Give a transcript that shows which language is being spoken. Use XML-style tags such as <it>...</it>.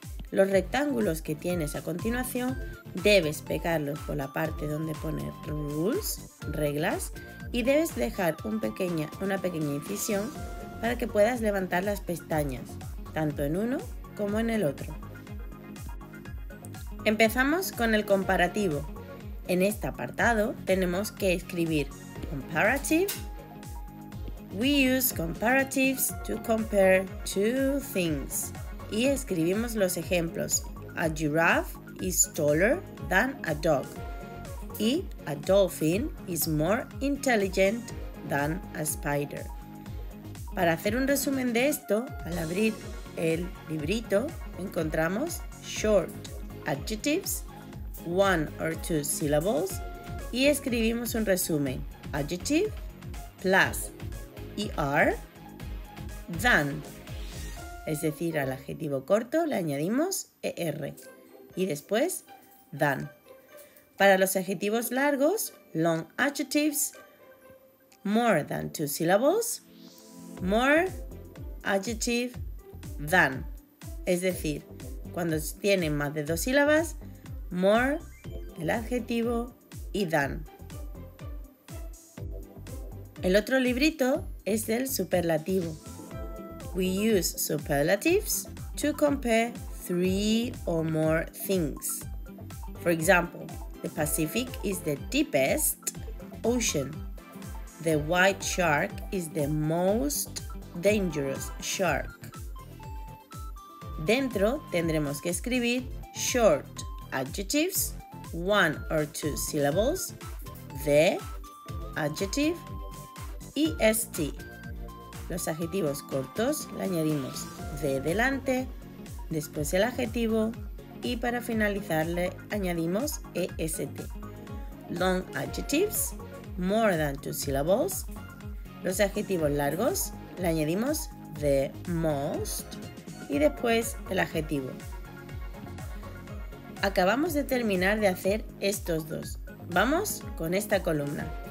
<es>Los rectángulos que tienes a continuación debes pegarlos por la parte donde pone rules, reglas, y debes dejar una pequeña incisión para que puedas levantar las pestañas, tanto en uno como en el otro. Empezamos con el comparativo. En este apartado tenemos que escribir comparative.</es> <en>We use comparatives to compare two things.</en> <es>Y escribimos los ejemplos.</es> <en>A giraffe is taller than a dog. Y a dolphin is more intelligent than a spider.</en> <es>Para hacer un resumen de esto, al abrir el librito, encontramos</es> <en>short adjectives, one or two syllables,</en> <es>y escribimos un resumen.</es> <en>Adjective plus er than,</en> <es>es decir, al adjetivo corto le añadimos er, y después than. Para los adjetivos largos,</es> <en>long adjectives, more than two syllables, more adjective than,</en> <es>es decir, cuando tiene más de dos sílabas, more el adjetivo y than. El otro librito es el superlativo.</es> <en>We use superlatives to compare three or more things. For example, the Pacific is the deepest ocean. The white shark is the most dangerous shark.</en> <es>Dentro tendremos que escribir</es> <en>short adjectives, one or two syllables, the adjective, est.</en> <es>Los adjetivos cortos le añadimos the delante, después el adjetivo y para finalizar le añadimos est.</es> <en>Long adjectives, more than two syllables.</en> <es>Los adjetivos largos le añadimos</es> <en>the most</en> <es>y después el adjetivo. Acabamos de terminar de hacer estos dos. Vamos con esta columna.</es>